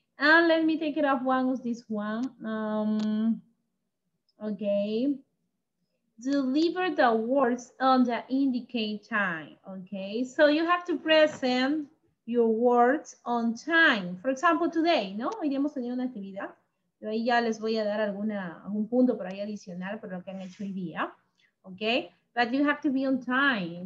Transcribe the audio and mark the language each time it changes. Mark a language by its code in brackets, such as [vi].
[en] And let me take it off one with this one. Okay, deliver the words on the indicated time. Okay, so you have to present your words on time. For example, today, [es] ¿no? Hoy hemos tenido una actividad. Yo ahí ya les voy a dar algún punto por ahí adicional por lo que han hecho hoy día. [en] Okay, but you have to be on time.